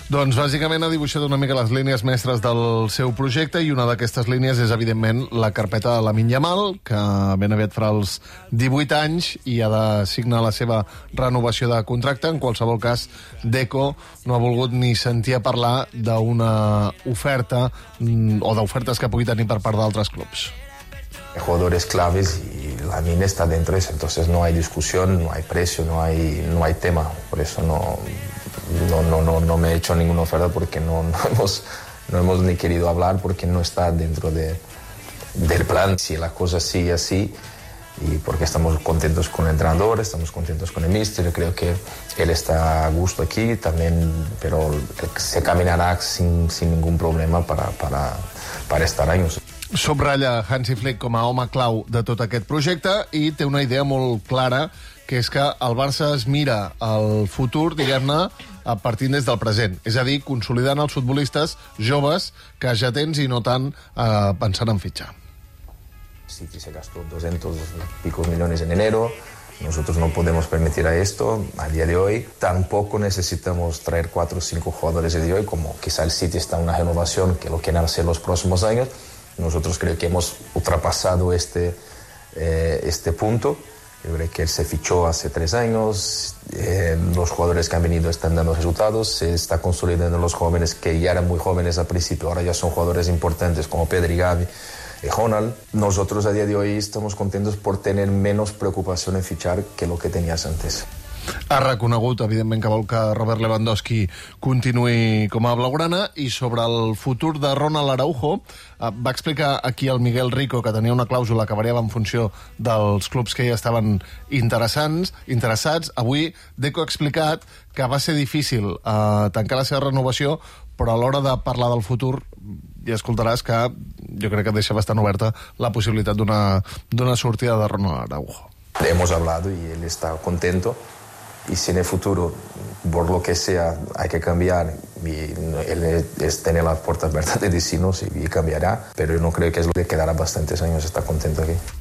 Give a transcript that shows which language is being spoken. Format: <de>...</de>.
<ca>Doncs bàsicament ha dibuixat una mica les línies mestres del seu projecte i una d'aquestes línies és, evidentment, la carpeta de Lamine Yamal, que ben aviat farà els 18 anys i ha de signar la seva renovació de contracte. En qualsevol cas, Deco no ha volgut ni sentir a parlar d'una oferta o d'ofertes que pugui tenir per part d'altres clubs.</ca> <es>Hay jugadores claves y la mina está dentro de eso, entonces no hay discusión, no hay precio, no hay tema. Por eso no me he hecho ninguna oferta porque no hemos ni querido hablar porque no está dentro del plan. Si la cosa sigue así y porque estamos contentos con el entrenador, estamos contentos con el míster, creo que él está a gusto aquí también, pero se caminará sin ningún problema para estar años.</es> <ca>Subratlla Hansi Flick com a home clau de tot aquest projecte i té una idea molt clara, que és que el Barça es mira el futur, diguem-ne, a partir des del present. És a dir, consolidant els futbolistes joves que ja tens i no tant pensant en fitxar.</ca> <es>Sí, que se gastó 200 picos millones en enero. Nosotros no podemos permitir a esto a día de hoy. Tampoco necesitamos traer 4 o 5 jugadores a día de hoy, como quizá el City está en una renovación que lo quieren hacer los próximos años. Nosotros creo que hemos ultrapasado este punto. Yo creo que él se fichó hace 3 años. Los jugadores que han venido están dando resultados. Se está consolidando los jóvenes que ya eran muy jóvenes al principio. Ahora ya son jugadores importantes como Pedri, Gavi y Ronald. Nosotros a día de hoy estamos contentos por tener menos preocupación en fichar que lo que tenías antes.</es> <ca>Ha reconegut, evidentment, que vol que Robert Lewandowski continuï com a blaugrana, i sobre el futur de Ronald Araujo va explicar aquí el Miguel Rico que tenia una clàusula que variava en funció dels clubs que hi estaven interessats. Avui Deco ha explicat que va ser difícil tancar la seva renovació, però a l'hora de parlar del futur ja escoltaràs que jo crec que deixa bastant oberta la possibilitat d'una sortida de Ronald Araujo.</ca> <es>Hemos hablado y él está contento. Y si en el futuro, por lo que sea, hay que cambiar, y él es tener las puertas abiertas de decirnos y cambiará, pero yo no creo que es lo que quedará bastantes años, está contento aquí.</es>